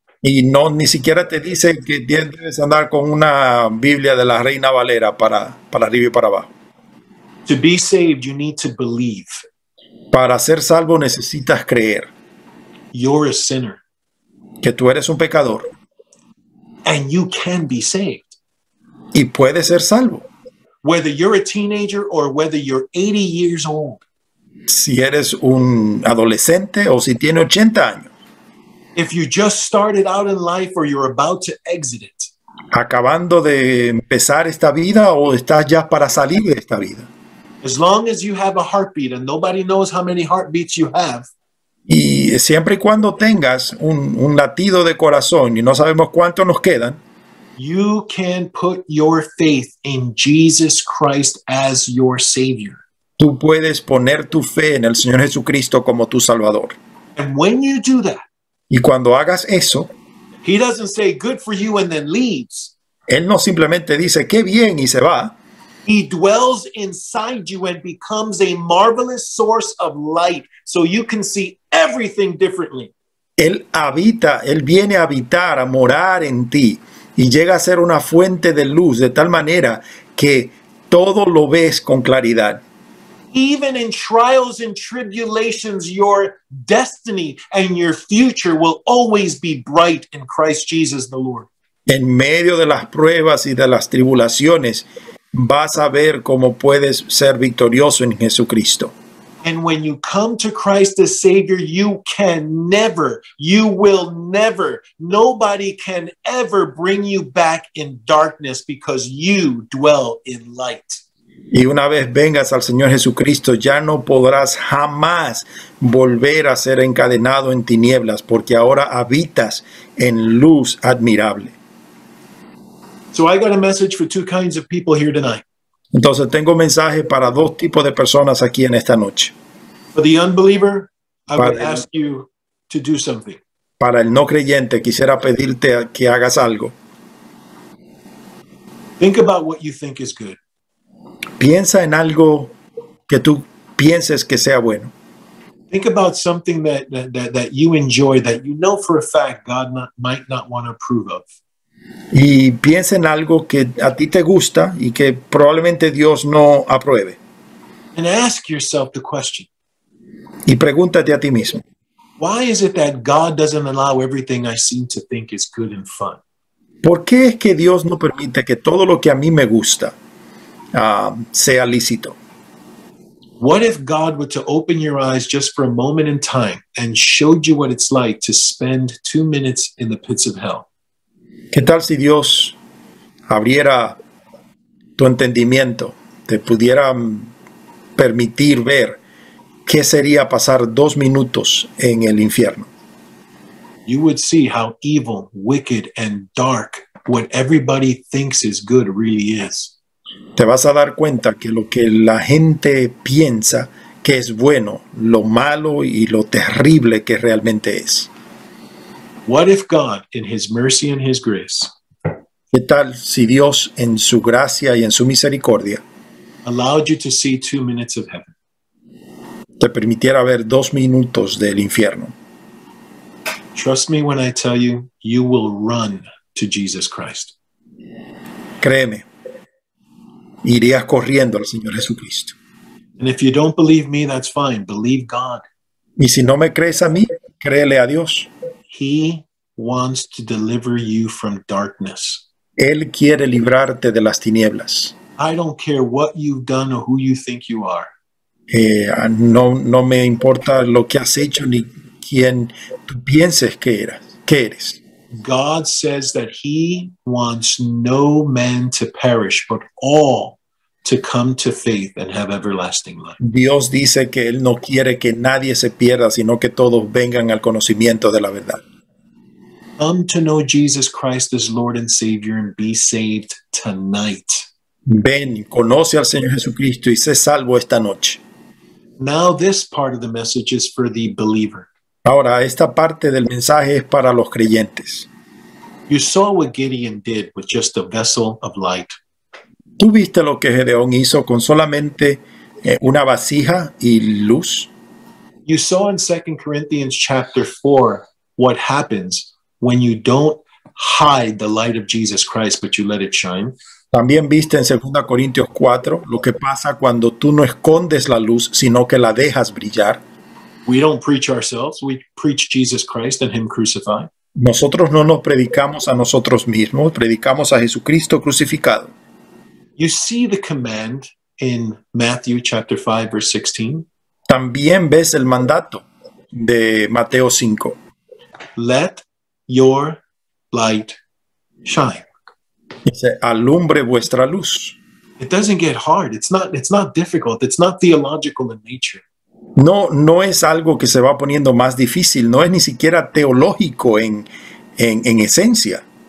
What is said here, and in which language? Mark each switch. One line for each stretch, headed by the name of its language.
Spanish: Y no, ni siquiera te dice que debes andar con una Biblia de la Reina Valera para arriba y para abajo.
English: To be saved, you need to believe.
Spanish: Para ser salvo necesitas creer.
English: You're a sinner.
Spanish: Que tú eres un pecador.
English: And you can be saved.
Spanish: Y puedes ser salvo.
English: Whether you're a teenager or whether you're 80 years old.
Spanish: Si eres un adolescente o si tienes 80 años.
English: If you just started out in life or you're about to exit it.
Spanish: Acabando de empezar esta vida o estás ya para salir de esta vida.
English: As long as you have a heartbeat and nobody knows how many heartbeats you have.
Spanish: Y siempre y cuando tengas un latido de corazón y no sabemos cuánto nos quedan,
English: You can put your faith in Jesus Christ as your Savior.
Spanish: tú puedes poner tu fe en el Señor Jesucristo como tu Salvador.
English: And when you do that,
Spanish: Y cuando hagas eso,
English: he doesn't say good for you and then leaves.
Spanish: Él no simplemente dice qué bien y se va.
English: He dwells inside you and becomes a marvelous source of light so you can see everything differently.
Spanish: Él habita, él viene a habitar, a morar en ti y llega a ser una fuente de luz de tal manera que todo lo ves con claridad.
English: Even in trials and tribulations, your destiny and your future will always be bright in Christ Jesus the Lord.
Spanish: En medio de las pruebas y de las tribulaciones, vas a ver cómo puedes ser victorioso en Jesucristo.
English: And when you come to Christ as Savior, you can never, you will never, nobody can ever bring you back in darkness because you dwell in light.
Spanish: Y una vez vengas al Señor Jesucristo, ya no podrás jamás volver a ser encadenado en tinieblas, porque ahora habitas en luz admirable.
English: So I got a message for two kinds of people here tonight.
Spanish: Entonces tengo mensaje para dos tipos de personas aquí en esta noche.
English: For the unbeliever, I would
Spanish: Para
English: ask you to do something.
Spanish: el no creyente, quisiera pedirte que hagas algo.
English: Think about what you think is good.
Spanish: Piensa en algo que tú pienses que sea bueno.
English: Think about something that you enjoy that you know for a fact God might not want to approve of.
Spanish: Y piensa en algo que a ti te gusta y que probablemente Dios no apruebe.
English: And ask yourself the question.
Spanish: Y pregúntate a ti mismo.
English: Why is it that God doesn't allow everything I seem to think is good and fun?
Spanish: ¿Por qué es que Dios no permite que todo lo que a mí me gusta sea lícito?
English: What if God were to open your eyes just for a moment in time and showed you what it's like to spend 2 minutes in the pits of hell?
Spanish: ¿Qué tal si Dios abriera tu entendimiento, te pudiera permitir ver qué sería pasar 2 minutos en el infierno?
English: You would see how evil, wicked, and dark what everybody thinks is good really is.
Spanish: Te vas a dar cuenta que lo que la gente piensa que es bueno, lo malo y lo terrible que realmente es.
English: What if God, in His mercy and His grace,
Spanish: ¿Qué tal si Dios en su gracia y en su misericordia
English: allowed you to see 2 minutes of heaven?
Spanish: te permitiera ver 2 minutos del infierno?
English: Trust me when I tell you, you will run to Jesus Christ.
Spanish: Créeme, irías corriendo al Señor Jesucristo.
English: And if you don't believe me, that's fine. Believe God.
Spanish: Y si no me crees a mí, créele a Dios.
English: He wants to deliver you from darkness.
Spanish: Él quiere librarte de las tinieblas.
English: I don't care what you've done or who you think you are.
Spanish: No me importa lo que has hecho ni quién tú pienses que eras, que eres.
English: God says that He wants no man to perish, but all to come to faith and have everlasting life.
Spanish: Dios dice que Él no quiere que nadie se pierda, sino que todos vengan al conocimiento de la verdad.
English: Come to know Jesus Christ as Lord and Savior and be saved tonight.
Spanish: Ven, conoce al Señor Jesucristo y sé salvo esta noche.
English: Now, this part of the message is for the believer.
Spanish: Ahora, esta parte del mensaje es para los creyentes.
English: You saw what Gideon did with just a vessel of light.
Spanish: ¿Tú viste lo que Gedeón hizo con solamente una vasija y luz?
English: You saw in 2 Corinthians chapter 4 what happens when you don't hide the light of Jesus Christ, but you let it shine.
Spanish: También viste en 2 Corintios 4 lo que pasa cuando tú no escondes la luz, sino que la dejas brillar.
English: We don't preach ourselves, we preach Jesus Christ and Him crucified.
Spanish: Nosotros no nos predicamos a nosotros mismos, predicamos a Jesucristo crucificado.
English: You see the command in Matthew chapter 5, verse 16.
Spanish: También ves el mandato de Mateo 5.
English: Let your light shine.
Spanish: Dice, alumbre vuestra luz.
English: It doesn't get hard. It's not difficult. It's not theological in nature.
Spanish: No es algo que se va poniendo más difícil, no es ni siquiera teológico en esencia.